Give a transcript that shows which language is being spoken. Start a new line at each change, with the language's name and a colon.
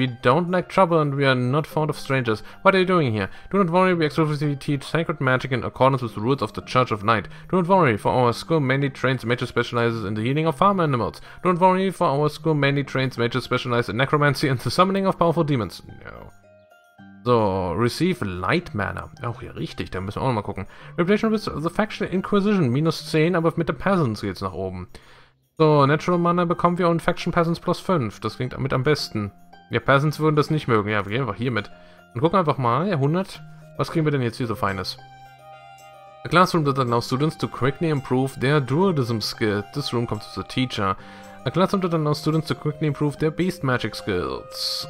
English: We don't like trouble and we are not fond of strangers. What are you doing here? Do not worry, we exclusively teach sacred magic in accordance with the rules of the Church of Night. Do not worry, for our school mainly trains mages specializes in the healing of farm animals. Do not worry, for our school mainly trains mages specialize in necromancy and the summoning of powerful demons. No. So, receive light mana.
German: Auch hier richtig, da müssen wir auch nochmal gucken.
English: Reputation with the faction Inquisition, minus 10,
German: aber mit der Peasants geht's nach oben. So, Natural Mana bekommen wir und Faction Peasants plus 5. Das klingt damit am besten. Ja, Peasants würden das nicht mögen. Ja, wir gehen einfach hier mit. Und gucken einfach mal, ja, 100. Was kriegen wir denn jetzt hier so Feines?
English: A classroom that allows students to quickly improve their dualism skill. This room comes to the teacher. A classroom that allows students to quickly improve their beast magic skills.